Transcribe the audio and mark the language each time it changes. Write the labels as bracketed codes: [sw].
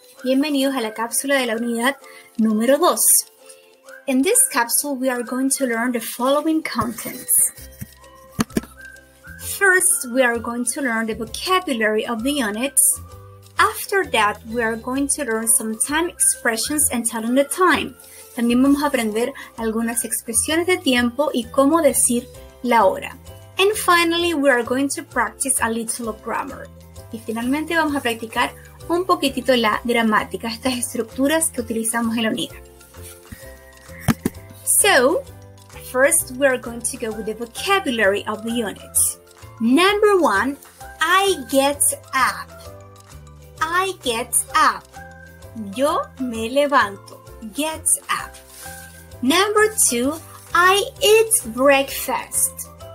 [es] Bienvenidos a la cápsula de la unidad número 2. [en] In this capsule, we are going to learn the following contents. First, we are going to learn the vocabulary of the unit. After that, we are going to learn some time expressions and telling the time. [es] También vamos a aprender algunas expresiones de tiempo y cómo decir la hora. [en] And finally, we are going to practice a little of grammar. [es] Y finalmente vamos a practicar un poquitito la gramática, estas estructuras que utilizamos en la unidad. [en] So, first we are going to go with the vocabulary of the unit. Number one, I get up. I get up. [es] Yo me levanto. [en] Get up. Number two, I eat breakfast.